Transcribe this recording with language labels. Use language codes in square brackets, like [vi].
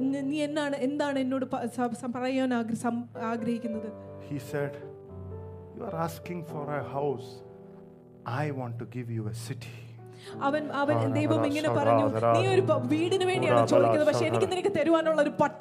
[ml] നീ എന്നാണ് എന്താണ് എന്നോട് പറയാൻ ആഗ്രഹിക്കുന്നത്? [en] He said, you are asking for a house, I want to give you a city. [ml] അവൻ ദൈവം ഇങ്ങനെ പറഞ്ഞു, നീ ഒരു വീടിന് വേണ്ടിയാണ് ചോദിക്കുന്നത്, പക്ഷെ എനിക്ക് നിനക്ക് തരുവാനുള്ള ഒരു